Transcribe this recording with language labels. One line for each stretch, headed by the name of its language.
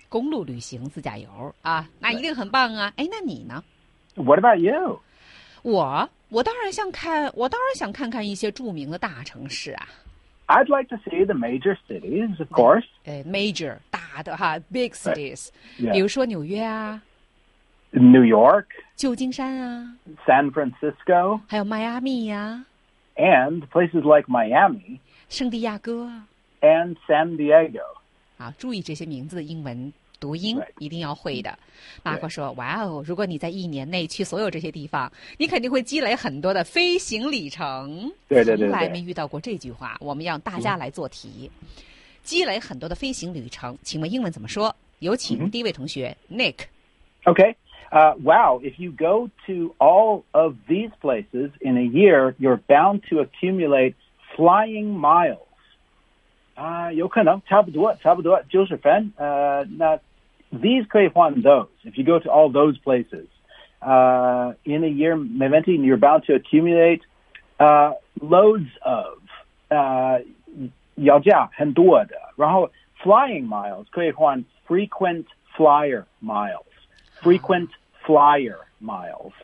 Chinese: 公路旅行自驾游啊，那一定很棒啊。哎，那你呢？
English: What about you?
Chinese: 我当然想看看一些著名的大城市啊。
English: I'd like to see the major cities, of course. Major,
Chinese: 大的哈
English: big cities. Right.
Chinese: 比如说纽约啊。
English: New York.
Chinese: 旧金山啊。
English: San Francisco.
Chinese: 还有迈阿密啊。
English: And places like Miami.
Chinese: 圣地亚哥。
English: And San Diego.
Chinese: 啊，注意这些名字的英文。读音一定要会的，马克说：“哇哦，如果你在一年内去所有这些地方，你肯定会积累很多的飞行里程。对，从来没遇到过这句话。我们让大家来做题，积累很多的飞行里程，请问英文怎么说？有请第一位同学 Nick。
English: Okay, wow, if you go to all of these places in a year, you're bound to accumulate flying miles.”
Chinese: 有可能差不多就是分那
English: these
Chinese: 可以换
English: those if you go to all those places in a year
Chinese: 没问题
English: you're bound to accumulate loads of
Chinese: 要价很多的然后
English: flying miles 可以换 frequent flyer miles frequent flyer miles